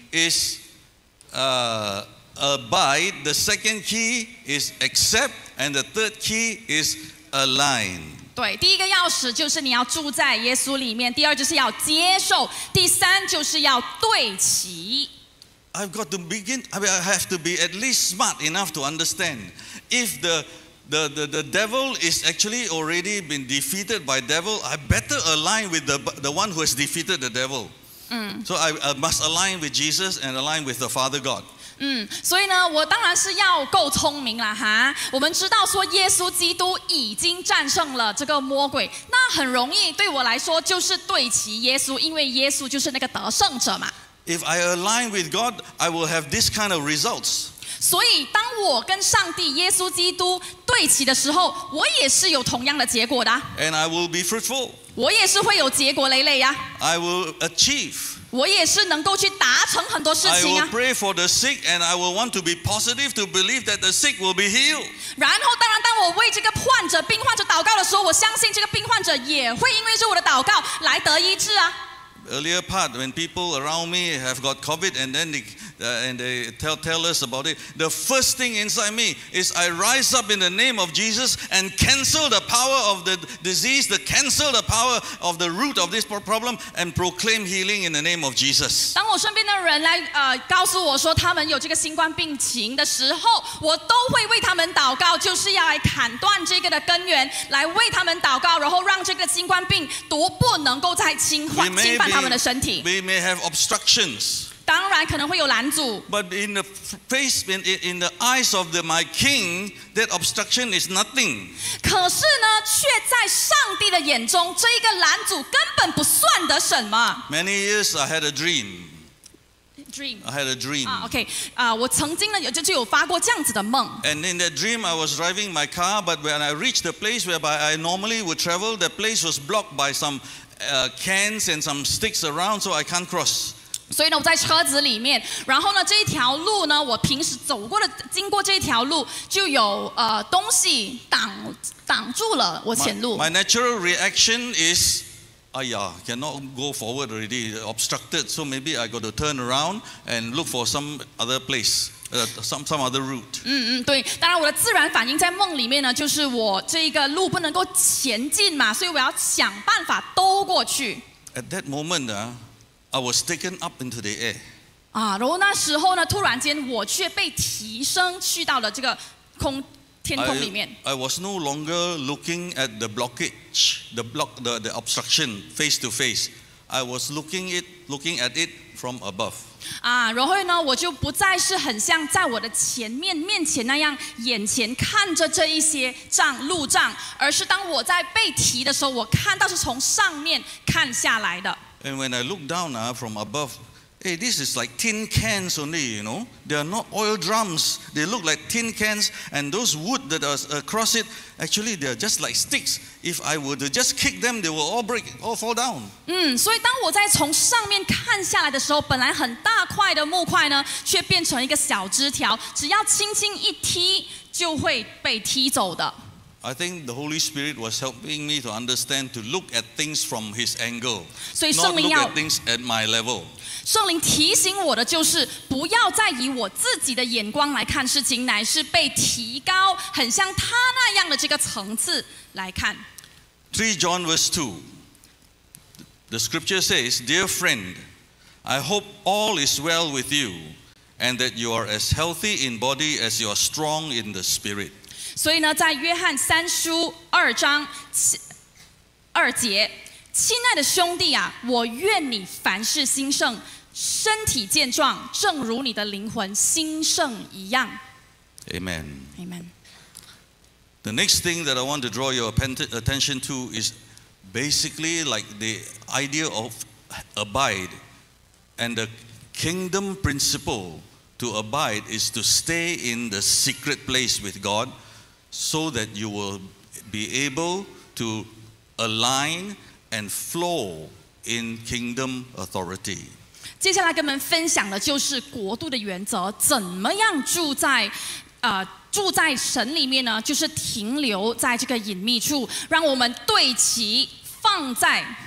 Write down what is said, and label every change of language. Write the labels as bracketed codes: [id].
[en] is abide, the second key is accept, and the third key is align. [zh] 对，第一个钥匙就是你要住在耶稣里面，第二就是要接受，第三就是要对齐。 [en] I've got to begin. I mean, I have to be at least smart enough to understand if the devil is actually already been defeated by devil. I better align with the one who has defeated the devil. So I must align with Jesus and align with the Father God. [zh] 所以呢，我当然是要够聪明了哈。我们知道说耶稣基督已经战胜了这个魔鬼，那很容易对我来说就是对齐耶稣，因为耶稣就是那个得胜者嘛。 [en] If I align with God, I will have this kind of results. [zh] 所以当我跟上帝耶稣基督对齐的时候，我也是有同样的结果的。 [en] And I will be fruitful. [zh] 我也是会有结果累累呀。 [en] I will achieve. [zh] 我也是能够去达成很多事情啊。 [en] I will pray for the sick, and I will want to be positive to believe that the sick will be healed. [zh] 然后当然当我为这个患者、病患者祷告的时候，我相信这个病患者也会因为是我的祷告来得医治啊。 [en] Earlier part, when people around me have got COVID and then they tell us about it, the first thing inside me is I rise up in the name of Jesus and cancel the power of the disease, the cancel the power of the root of this problem and proclaim healing in the name of Jesus. [zh] 当我身边的人来告诉我说他们有这个新冠病情的时候，我都会为他们祷告，就是要来砍断这个的根源，来为他们祷告，然后让这个新冠病毒不能够再侵犯他们的身体。 [en] We may have obstructions. [zh] 当然可能会有拦阻。 [en] But in the face, in the eyes of my king, that obstruction is nothing. [zh] 可是呢，却在上帝的眼中，这一个拦阻根本不算得什么。 [en] Many years I had a dream. Dream. I had a dream. Okay. [zh] 我曾经呢就有发过这样子的梦。 [en] And in that dream, I was driving my car, but when I reached the place whereby I normally would travel, that place was blocked by some cans and some sticks around, so I can't cross. [zh] 所以呢，我在车子里面，然后呢，这一条路呢，我平时走过的，经过这条路，就有东西挡住了我前路。 [en] My natural reaction is, 哎呀 cannot go forward already, obstructed. So maybe I got to turn around and look for some other place, some other route. [zh] 对，当然我的自然反应在梦里面呢，就是我这个路不能够前进嘛，所以我要想办法兜过去。 [en] At that moment, I was taken up into the air. [zh] 然后那时候呢，突然间我却被提升去到了这个天空里面。 [en] I was no longer looking at the blockage, the obstruction face to face. I was looking at it from above. [zh] 然后呢，我就不再是很像在我的面前那样眼前看着这一些路障，而是当我在被提的时候，我看到是从上面看下来的。 [en] And when I look down from above, hey, this is like tin cans only, you know. They are not oil drums. They look like tin cans. And those wood that are across it, actually, they are just like sticks. If I were to just kick them, they will all fall down. [zh] 所以当我在从上面看下来的时候，本来很大块的木块呢，却变成一个小枝条，只要轻轻一踢，就会被踢走的。 [en] I think the Holy Spirit was helping me to understand to look at things from His angle, not look at things at my level. [zh] 圣灵提醒我的就是不要再以我自己的眼光来看事情，乃是被提高，很像他那样的这个层次来看。 [en] 3 John verse 2, the scripture says, Dear friend, I hope all is well with you, and that you are as healthy in body as you are strong in the spirit. [zh] 所以呢，在约翰三书二章二节，亲爱的兄弟啊，我愿你凡事兴盛，身体健壮，正如你的灵魂兴盛一样。 [en] Amen. Amen. The next thing that I want to draw your attention to is basically like the idea of abide and the kingdom principle. To abide is to stay in the secret place with God. So that you will be able to align and flow in kingdom authority. [zh] 接下来跟我们分享的就是国度的原则，怎么样住在神里面呢？就是停留在这个隐秘处，让我们对齐放在